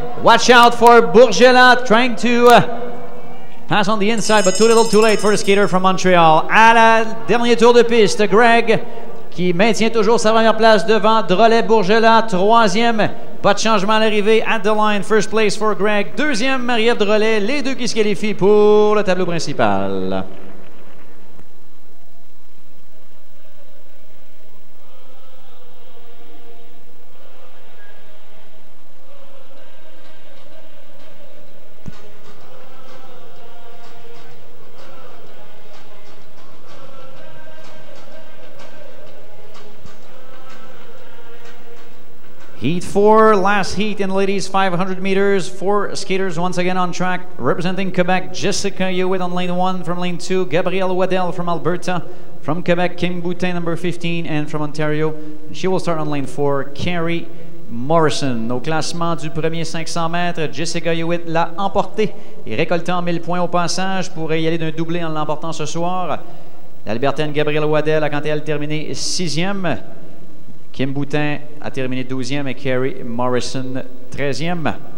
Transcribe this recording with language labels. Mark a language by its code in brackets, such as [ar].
[en] Watch out for Bourgelat, trying to pass on the inside, but too little too late for a skater from Montreal. [fr] À la dernière tour de piste, Greg qui maintient toujours sa première place devant Drolet Bourgelat, troisième. Pas de changement à l'arrivée, [en] at the line, first place for Greg. [fr] Deuxième, Marie-Ève Drolet, les deux qui se qualifient pour le tableau principal. [en] Heat 4, last heat in ladies 500 meters. Four skaters once again on track. Representing Quebec, Jessica Hewitt on lane 1 from lane 2. Gabrielle Waddell from Alberta. From Quebec, Kim Boutin, number 15, and from Ontario. And she will start on lane 4, Carrie Morrison. [fr] Au classement du premier 500 mètres, Jessica Hewitt l'a emporté et récoltant 1000 points au passage. Pourrait y aller d'un doublé en l'emportant ce soir. L'Albertaine Gabrielle Waddell a quant à elle terminé 6e. Kim Boutin a terminé 12e et Carrie Morrison 13e.